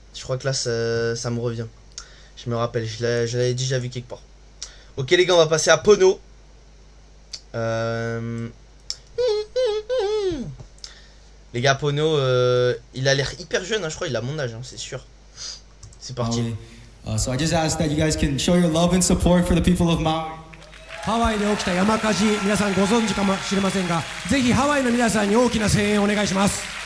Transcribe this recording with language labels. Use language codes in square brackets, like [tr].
[fr] Je crois que là, ça me revient. Je me rappelle, je l'avais déjà vu quelque part. Ok, les gars, on va passer à Pono. Les gars, Pono, il a l'air hyper jeune, hein, je crois, il a mon âge, hein, c'est sûr. C'est parti. [en] So I just ask that you guys can show your love and support for the people of Maui. [ja] ハワイで起きた山火事、皆さんご存知かもしれませんが、ぜひハワイの皆さんに大きな声援をお願いします。